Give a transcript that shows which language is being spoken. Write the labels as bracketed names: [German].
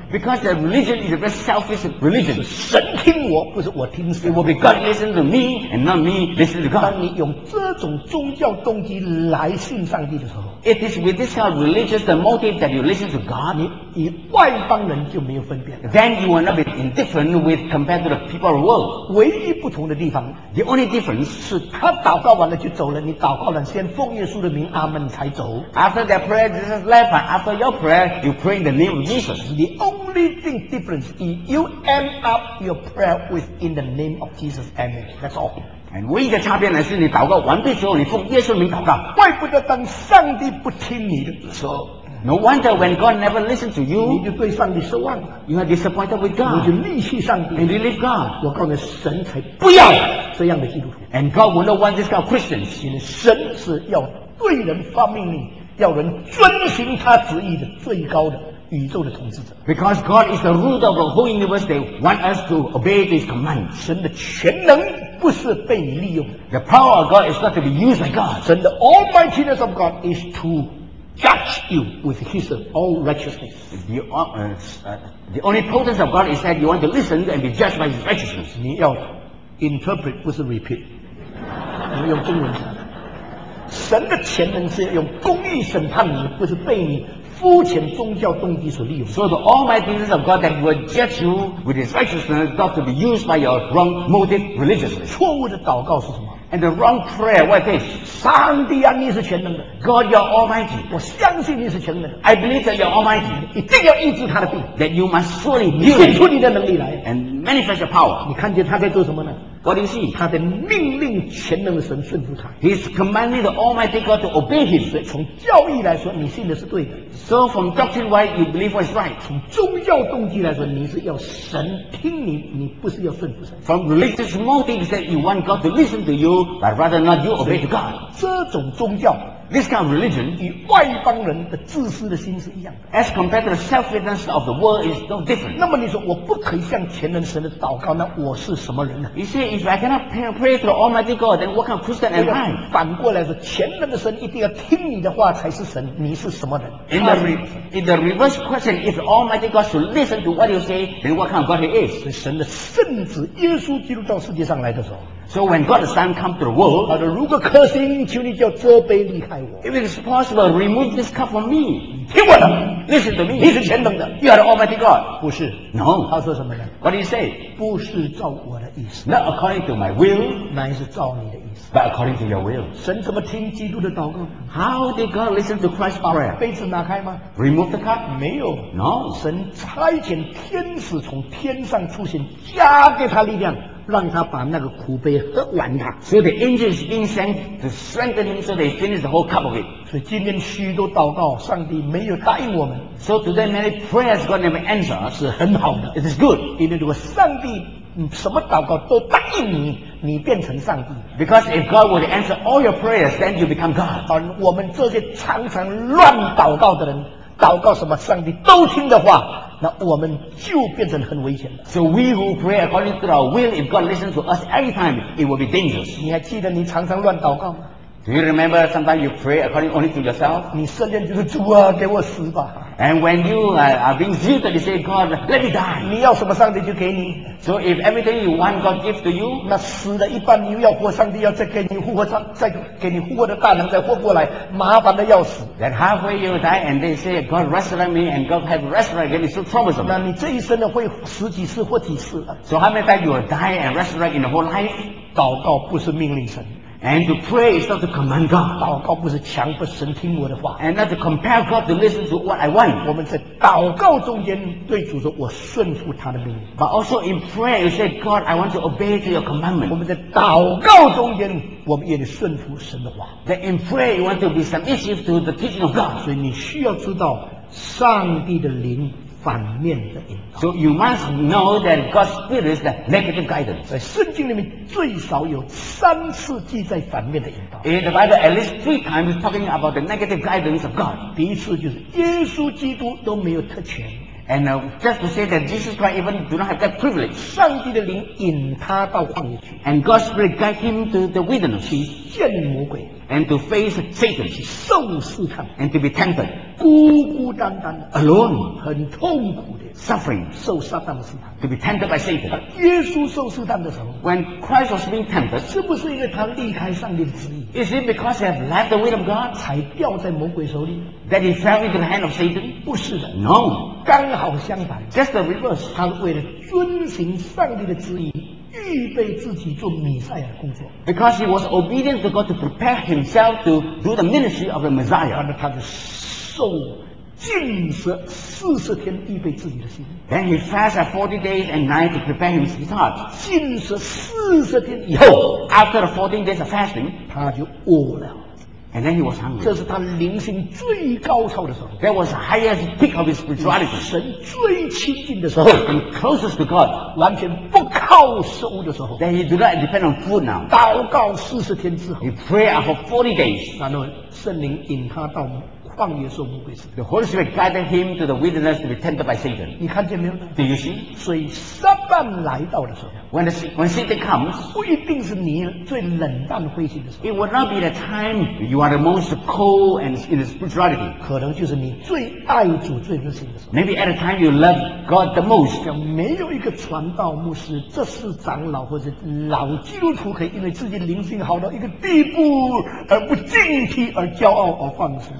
[English] Because their religion is a very selfish religion. [Chinese] 神听我，不是我听神。 [English] It will be God listening to me, and not me listening to God. [Chinese] 当你用这种宗教动机来信上帝的时候， [English] It is with this kind of religious motive that you listen to God. [Chinese] 你与外邦人就没有分辨。 [English] Then you will not be indifferent with compared to the people of the world. [Chinese] 唯一不同的地方， [English] The only difference [Chinese] 是他祷告完了就走了，你祷告后来先奉耶稣的名阿们才走。 [English] After that prayer, Jesus left. And after your prayer, you pray in the name of Jesus. The only thing difference is you end up your prayer with in the name of Jesus. Amen. That's all. And [Chinese] 唯一的差别呢，是你祷告完毕之后，你奉耶稣的名祷告。怪不得当上帝不听你的说。 [English] No wonder when God never listens to you, [Chinese] 你就对上帝失望了。 [English] You are disappointed with God. [Chinese] 你就离弃上帝。 [English] And you leave God. [Chinese] 我告诉你，神才不要这样的基督徒。 [English] And God will not want this kind of Christians. [Chinese] 因为神是要对人发命令，要人遵循他旨意的最高的宇宙的统治者。 [English] Because God is the ruler of the whole universe, they want us to obey His command. [Chinese] 神的全能不是被你利用。 [English] The power of God is not to be used by God. [Chinese] 神的 [English] almightiness of God is to judge you with his all righteousness. The only potence of God is that you want to listen and be judged by his righteousness. [Chinese] 你要 [English] interpret [Chinese] 不是 [English] repeat， [Chinese] 你用中文讲。神的潜能是用公义审判你，不是被你肤浅宗教动机所利用。 [English] So the almighty is of God that will judge you with his righteousness, not to be used by your wrong motive religiously. [Chinese] 错误的祷告是什么 [English] ？And the wrong prayer, what is? [Chinese] 上帝啊，你是全能的。 [English] God, you're almighty. [Chinese] 我相信你是全能的。 [English] I believe that you're almighty. [Chinese] 一定要医治他的病。 [English] That you must surely heal. [Chinese] 显出你的能力来。 [English] And manifest your power. [Chinese] 你看见他在做什么呢？ [English] What is he? [Chinese] 他在命令全能的神顺服他。 [English] He's commanding the Almighty God to obey him. [Chinese] 所以从教义来说，你信的是对的。 [English] So from doctrine wise, you believe what is right. [Chinese] 从宗教动机来说，你是要神听你，你不是要顺服神。 [English] From religious motives, that you want God to listen to you, but rather not you obey to God. [Chinese] 这种宗教 [English] ，this kind of religion, [Chinese] 与外邦人的自私的心是一样的。 [English] As compared to the selfishness of the world, is no different. [Chinese] 那么你说我不可以向全能神的祷告，那我是什么人呢 [English] ？You see. If I cannot pray to the Almighty God, then what kind of Christian am I? [Chinese] 反过来说，全能的神一定要听你的话才是神。你是什么人 [English] ？In the reverse question, if Almighty God should listen to what you say, then what kind of God he is? [Chinese] 是神的圣子耶稣基督到世界上来的时候。 [English] So when God's Son come to the world, [Chinese] 他说如果可行，求你叫这杯离开我。 [English] If it is possible, remove this cup from me. [Chinese] 听我的 [English] ，Listen to me. [Chinese] 你是全能的 [English] ，You are the Almighty God. [Chinese] 不是 [English] ，No. [Chinese] 他说什么呢 [English] ？What do you say? [Chinese] 不是照我的意思。 [English] Not according to my will. [Chinese] 乃是照你的意思。 [English] But according to your will. [Chinese] 神怎么听基督的祷告 [English] ？How did God listen to Christ's prayer? [Chinese] 杯子拿开吗 [English] ？Remove the cup. [Chinese] 没有 [English] ，No. [Chinese] 神差遣天使从天上出现，加给他力量。让他把那个苦杯喝完他。 [English] So the angel is being sent to strengthen him so they finish the whole cup of it. [Chinese] 所以今天许多祷告上帝没有答应我们。 [English] So today many prayers God never answer. [Chinese] 是很好的。 [English] It is good. [Chinese] 因为如果上帝什么祷告都答应你，你变成上帝。 [English] Because if God would answer all your prayers, then you become God. [Chinese] 而我们这些常常乱祷告的人，祷告什么上帝都听的话，那我们就变成很危险的。 [English] So we who pray according to our will, if God listens to us every time, it will be dangerous. [Chinese] 你还记得你常常乱祷告吗 [English] ？Do you remember sometimes you pray according only to yourself? [Chinese] 你圣言就是主啊，给我死吧。 [English] And when you are being zealous, you say, God, let me die. [Chinese] 你要什么上帝就给你。 [English] So if everything you want, God gives to you, [Chinese] 那死了一半，你要活，上帝要再给你复活，再给你复活的大能，再活过来，麻烦的要死。 [English] Then halfway you die, and they say, God wrestled me, and God have wrestled against me, so troublesome. [Chinese] 那你这一生呢，会十几次或几次了。 [English] So how many times you will die and wrestle in the whole life? [Chinese] 祷告不是命令神。 [English] And to pray is not to command God. [Chinese] 祷告不是强迫神听我的话。 [English] And not to compel God to listen to what I want. [Chinese] 我们在祷告中间对主说，我顺服他的命令。 [English] But also in prayer, you say, God, I want to obey to your commandment. [Chinese] 我们在祷告中间，我们也得顺服神的话。 [English] That in prayer, you want to be submissive to the teaching of God. [Chinese] 所以你需要知道上帝的灵。反面的引导。 [English] So you must know that God's spirit is the negative guidance. [Chinese] 在圣经里面最少有三次记载反面的引导。 [English] In the Bible, at least three times talking about the negative guidance of God. [Chinese] 第一次就是耶稣基督都没有特权。 [English] And just to say that Jesus Christ even do not have that privilege. [Chinese] 上帝的灵引他到旷野去。 [English] And God's spirit guide him to the wilderness. [Chinese] 去见魔鬼。 [English] And to face Satan. [Chinese] 去受试探。 [English] And to be tempted. [Chinese] 孤孤单单。 [English] Alone. [Chinese] 很痛苦的。 [English] Suffering. [Chinese] 受撒旦的试探。 [English] To be tempted by Satan. [Chinese] 耶稣受试探的时候。 [English] When Christ was being tempted. [Chinese] 是不是因为他离开上帝的旨意。 [English] Is it because he had left the will of God? [Chinese] 才掉在魔鬼手里。 [English] That he fell into the hand of Satan? [Chinese] 不是的。 [English] No. [Chinese] 刚好相反 [English] Just the reverse. [Chinese] 他为了遵行上帝的旨意预备自己做弥赛亚的工作 [English] Because he was obedient to God to prepare himself to do the ministry of the Messiah. [Chinese] 然后他就受禁食四十天预备自己的心 [English] Then he fasted 40 days and nights to prepare his heart. [Chinese] 禁食四十天以后 [English] After the 14 days of fasting, [Chinese] 他就饿了 [English] And then he was hungry. [Chinese] 这是他灵性最高潮的时候。 [English] That was the highest peak of his spirituality. [Chinese] 神最亲近的时候。 [English] And closest to God. [Chinese] 完全不靠食物的时候。 [English] Then he did not depend on food now. [Chinese] 祷告四十天之后。 [English] He prayed for 40 days. [Chinese] 然后圣灵引他到旷野受魔鬼试探。 [English] The Holy Spirit guided him to the wilderness to be tempted by Satan. [Chinese] 你看见没有？ [English] Do you see? [Chinese] 所以撒旦来到的时候。 [English] When Satan comes, [Chinese] 不一定是你最冷淡灰心的时候。 [English] It will not be the time you are the most cold and in spirituality. [Chinese] 可能就是你最爱主最热心的时候。 [English] Maybe at the time you love God the most. [Chinese] 没有一个传道牧师，这是长老或者老基督徒，可以因为自己灵性好到一个地步而不敬畏而骄傲而放肆。